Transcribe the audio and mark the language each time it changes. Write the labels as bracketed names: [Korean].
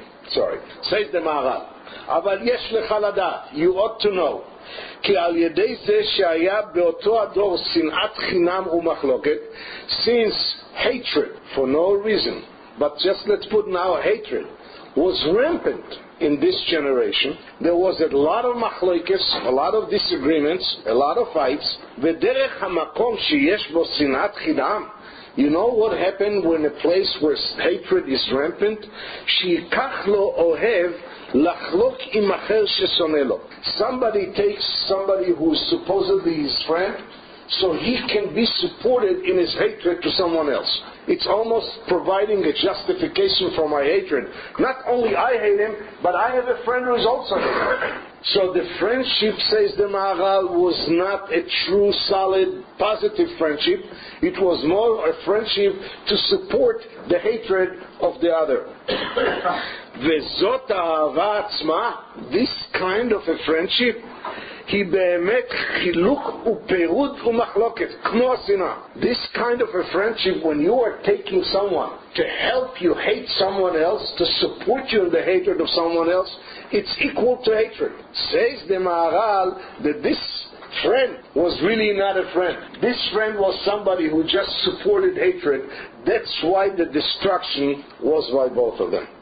[English] Sorry. Says the Ma'aral. [Hebrew] אבל יש לך לדעת, [English] you ought to know, [Hebrew] כי על ידי זה שהיה באותו הדור שנאת חינם ומחלוקת, [English] since hatred, for no reason, but just let's put now hatred, was rampant in this generation, there was a lot of machlokes, a lot of disagreements, a lot of fights, [Hebrew] ודרך המקום שיש בו שנאת חינם, [English] you know what happened when a place where hatred is rampant? [Hebrew] שיקח לו אוהב לחלוק עם אחר ששונא לו. [English] Somebody takes somebody who is supposedly his friend, so he can be supported in his hatred to someone else. It's almost providing a justification for my hatred. Not only I hate him, but I have a friend who is also hate him. So the friendship, says the Ma'aral, was not a true, solid, positive friendship. It was more a friendship to support the hatred of the other. [Hebrew] וזאת האהבה עצמה, [English] this kind of a friendship, [Hebrew] היא באמת חילוק ופירוד ומחלוקת, כמו השנאה. [English] This kind of a friendship, when you are taking someone to help you hate someone else, to support you in the hatred of someone else, it's equal to hatred. Says the Ma'aral that this friend was really not a friend. This friend was somebody who just supported hatred. That's why the destruction was by both of them.